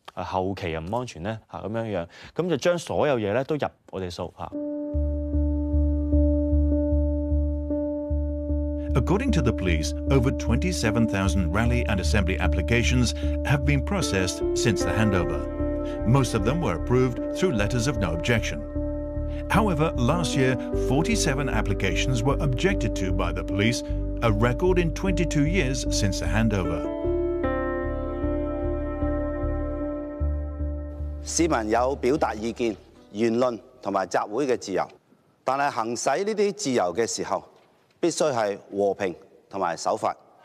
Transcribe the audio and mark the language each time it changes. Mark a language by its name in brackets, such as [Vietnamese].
[Cantonese] 後期又唔安全咧嚇咁樣樣，咁就將所有嘢咧都入我哋數嚇。 [English] According to the police, over 27,000 rally and assembly applications have been processed since the handover. Most of them were approved through letters of no objection. However, last year, 47 applications were objected to by the police, a record in 22 years since the handover. [Cantonese] 市民有表達意見、言論同埋集會嘅自由，但係行使呢啲自由嘅時候，必須係和平同埋守法。